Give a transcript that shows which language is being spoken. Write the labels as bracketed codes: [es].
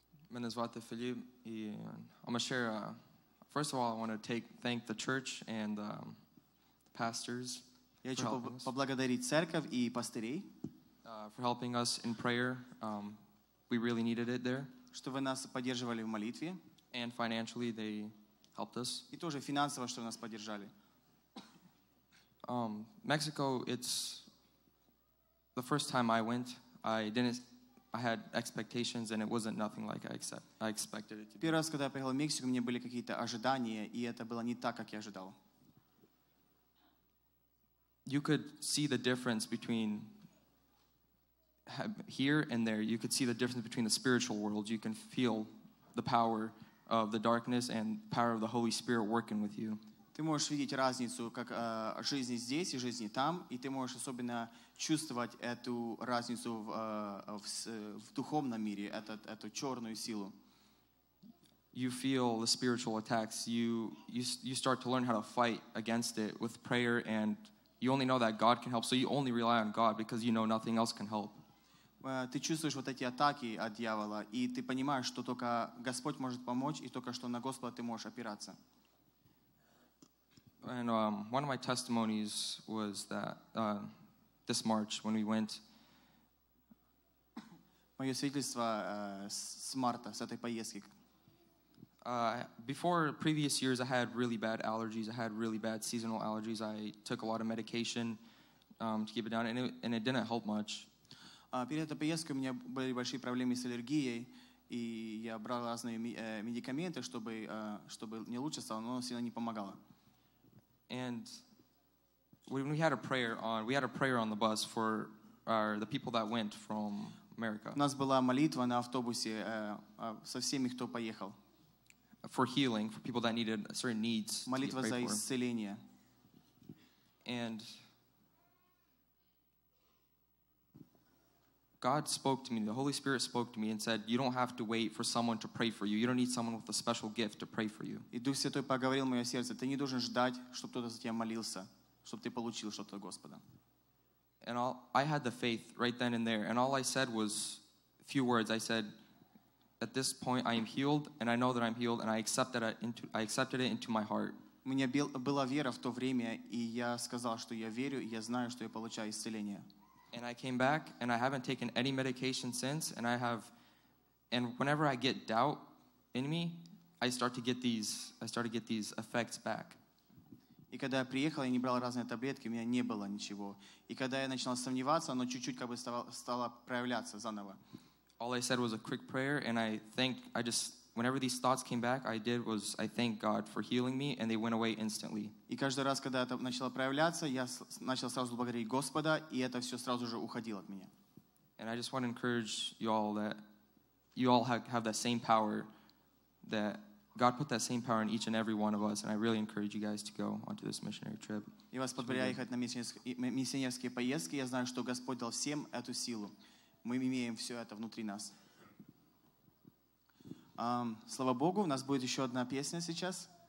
[ru] Меня зовут Филипп, и [en] I'm going to share, first of all, I want to thank the church and the pastors. [ru] Я хочу поблагодарить церковь и пастырей. [en] For helping us in prayer. We really needed it there. [ru] Что вы нас поддерживали в молитве. [en] And financially they helped us. [ru] И тоже финансово, что нас поддержали. [en] Mexico, it's the first time I went, I had expectations and it wasn't nothing like I expected it to be. [ru] Первый раз, когда я приехал в Мексику, у меня были какие-то ожидания, и это было не так, как я ожидал. [en] You could see the difference between here and there. You could see the difference between the spiritual world. You can feel the power of the darkness and power of the Holy Spirit working with you. [ru] Ты можешь видеть разницу как жизни здесь и жизни там, и ты можешь особенно чувствовать эту разницу в духовном мире, эту черную силу. [en] You feel the spiritual attacks. You start to learn how to fight against it with prayer, and you only know that God can help, so you only rely on God because you know nothing else can help. [ru] Ты чувствуешь вот эти атаки от дьявола, и ты понимаешь, что только Господь может помочь, и только что на Господа ты можешь опираться. [en] And one of my testimonies was that this March when we went. [ru] Моё свидетельство с марта, с этой поездки. [en] Before previous years, I had really bad allergies. I had really bad seasonal allergies. I took a lot of medication to keep it down, and it didn't help much. [ru] Перед этой поездкой у меня были большие проблемы с аллергией, и я брал разные медикаменты, чтобы не лучше стало, но сильно не помогало. [en] And we had a prayer on the bus for the people that went from America. [ru] У нас была молитва на автобусе со всеми, кто поехал. [en] For healing, for people that needed certain needs. [ru] Молитва за исцеление. [en] And God spoke to me. The Holy Spirit spoke to me and said, "You don't have to wait for someone to pray for you. You don't need someone with a special gift to pray for you." [ru] И Дух Святой поговорил в моё сердце: "Ты не должен ждать, чтобы кто-то за тебя молился, чтобы ты получил что-то от Господа." [en] And I had the faith right then and there, and all I said was a few words. I said, "At this point, I am healed, and I know that I'm healed, and I accepted it into my heart." [ru] У меня была вера в то время, и я сказал, что я верю, и я знаю, что я получаю исцеление. [en] And I came back, and I haven't taken any medication since. And I have, and whenever I get doubt in me, I start to get these effects back. [ru] И когда я приехал, я не брал разные таблетки, у меня не было ничего. И когда я начинал сомневаться, оно чуть-чуть как бы стало проявляться заново. [en] All I said was a quick prayer, and whenever these thoughts came back, I did was I thank God for healing me, and they went away instantly. [ru] И каждый раз, когда это начало проявляться, я начал сразу благодарить Господа, и это все сразу же уходило от меня. [en] And I just want to encourage you all that you all have that same power, that God put that same power in each and every one of us, and I really encourage you guys to go onto this missionary trip. [ru] Я вас подбадриваю ехать на миссионерские поездки. Я знаю, что Господь дал всем эту силу. Мы имеем все это внутри нас. Слава Богу, у нас будет еще одна песня сейчас.